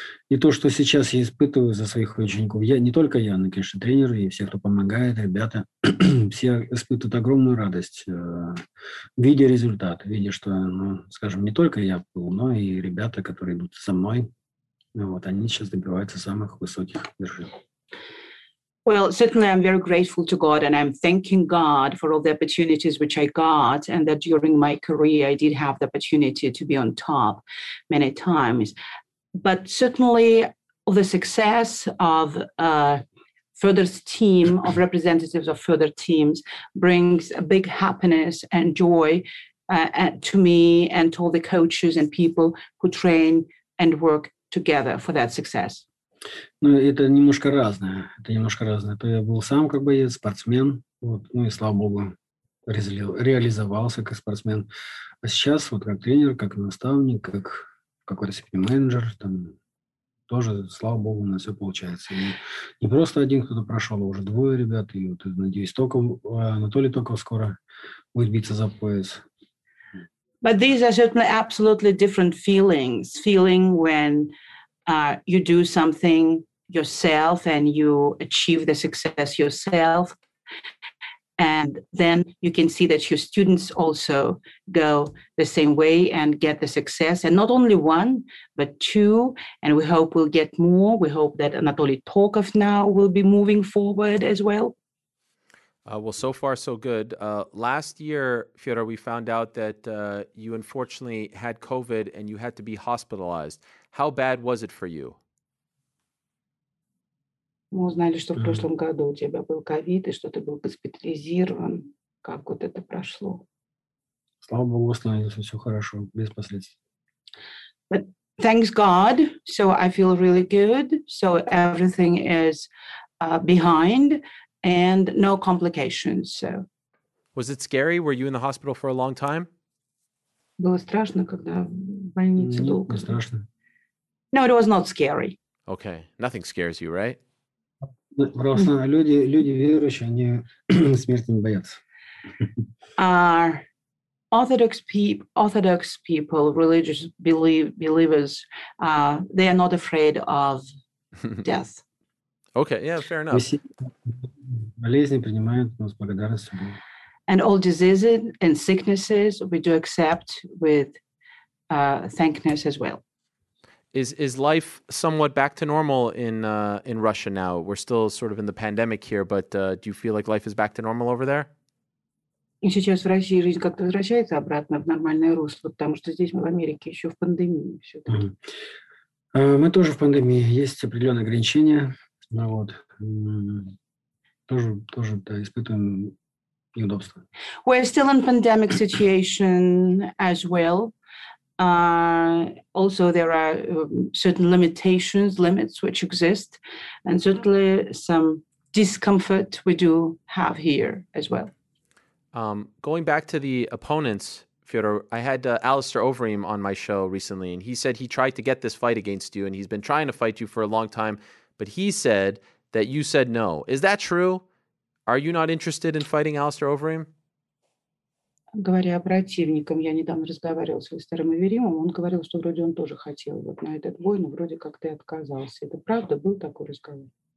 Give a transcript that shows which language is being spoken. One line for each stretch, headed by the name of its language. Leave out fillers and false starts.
Russian: И то, что сейчас я испытываю за своих учеников, я не только я, но, конечно, тренеры и все, кто помогает, ребята, все испытывают огромную радость, видя результат, видя, что, ну, скажем, не только я был, но и ребята, которые идут со мной, вот, они сейчас добиваются самых высоких вершин.
English: Well, certainly I'm very grateful to God and I'm thanking God for all the opportunities which I got and that during my career I did have the opportunity to be on top many times. But certainly the success of Fedor's team, of representatives of Fedor teams, brings a big happiness and joy to me and to all the coaches and people who train and work together for that success.
Russian: Ну, это немножко разное. Это немножко разное. То я был сам как боец, спортсмен, вот, ну и слава богу, реализовался как спортсмен. А сейчас, вот как тренер, как наставник, как какой-то менеджер, там, тоже, слава богу, у нас все получается. И не просто один кто-то прошел, а уже двое ребят. И вот, надеюсь, Анатолий Токов скоро будет биться за пояс.
English: But these are certainly absolutely different feelings. Feeling when you do something yourself and you achieve the success yourself. And then you can see that your students also go the same way and get the success. And not only one, but two. And we hope we'll get more. We hope that Anatoly Tolkov now will be moving forward as well. Well, so far, so good. Last year, Fyodor, we found out that you unfortunately had COVID and you had to be hospitalized. How bad was it for you?
Russian: Мы узнали, что в прошлом году у тебя был ковид, и что ты был госпитализирован. Как вот это прошло? Слава Богу, восстановился, все хорошо, без последствий.
English: But thanks God, so I feel really good, so everything is behind, and no complications, so. Was it scary? Were you in the hospital for a long time?
Russian: Было страшно, когда в больнице долго. Не страшно.
English: No, it was not scary. Okay, nothing scares you, right?
Russian: Люди верующие, они смерти не боятся.
English: Orthodox people, religious believers, they are not afraid of death. Okay, yeah, fair enough.
Russian: Болезни принимают нас с благодарностью.
English: And all diseases and sicknesses we do accept with thankfulness as well. Is life somewhat back to normal in Russia now? We're still sort of in the pandemic here, but do you feel like life is back to normal over there?
Russian: И сейчас в России жизнь как-то возвращается обратно в нормальное русло, потому что здесь мы в Америке еще в пандемии. Мы тоже в пандемии. Есть определенные ограничения. Ну вот. Тоже да, испытываем неудобства.
English: We're still in pandemic situation as well. Also, there are certain limits which exist, and certainly some discomfort we do have here as well. Going back to the opponents, Fyodor, I had Alistair Overeem on my show recently, and he said he tried to get this fight against you, and he's been trying to fight you for a long time, but he said that you said no. Is that true? Are you not interested in fighting Alistair Overeem?
Russian: Говоря о противнике, я недавно разговаривал с Алистером Оверимом, он говорил, что вроде он тоже хотел вот на этот бой, но вроде как ты отказался. Это правда был такой разговор?